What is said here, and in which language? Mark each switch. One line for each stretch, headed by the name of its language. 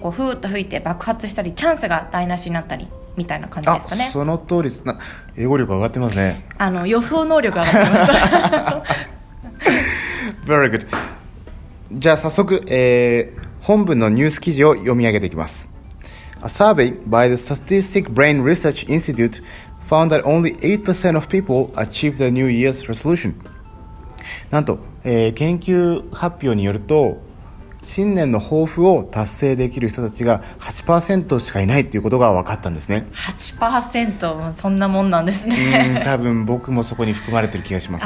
Japanese: こうふーっと吹いて爆発したり、チャンスが台無しになったりみたいな感じですかね。あ、その通りです。な、英語力上がってますね。あの、予想能力上がってました
English: 。 Very good。
Japanese: じゃあ早速、本文のニュース記事を読み上げていきます。
English: A survey by the Statistic Brain Research Institute found that only 8% of people achieve their New Year's resolution.
Japanese: なんと、研究発表によると、新年の抱負を達成できる人たちが 8% しかいないということが分かったんですね。 8%、 そんなもんなんですね。うん、多分僕もそこに含まれてる気がします。